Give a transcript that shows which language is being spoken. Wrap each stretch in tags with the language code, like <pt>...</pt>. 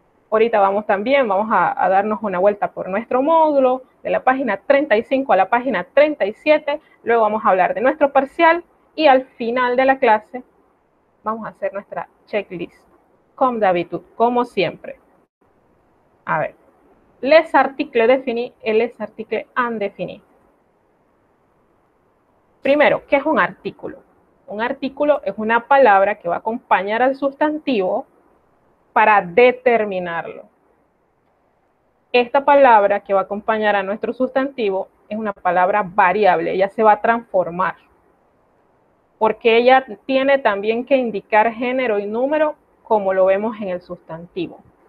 <es>Ahorita vamos también, vamos a darnos una vuelta por nuestro módulo, de la página 35 a la página 37. Luego vamos a hablar de nuestro parcial y al final de la clase vamos a hacer nuestra checklist.</es> <fr>Comme d'habitude,</fr> <es>como siempre. A ver.</es> <fr>Les articles définis y les articles indéfinis.</fr> <es>Primero, ¿qué es un artículo? Un artículo es una palabra que va a acompañar al sustantivo para determinarlo. Esta palabra que va a acompañar a nuestro sustantivo es una palabra variable, ella se va a transformar, porque ella tiene también que indicar género y número como lo vemos en el sustantivo.</es>